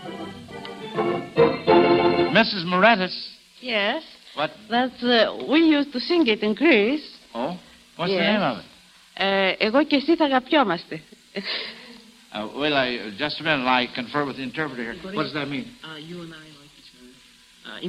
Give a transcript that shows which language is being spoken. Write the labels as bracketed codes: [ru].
[en] Mrs. Moretis. Yes. What? That's, we used to sing it in Greece. Oh? What's the name of it? [el] Εγώ και εσύ θα αγαπιόμαστε. [en] Will I, just a minute, I confer with the interpreter here. What does that mean? You and I like each other.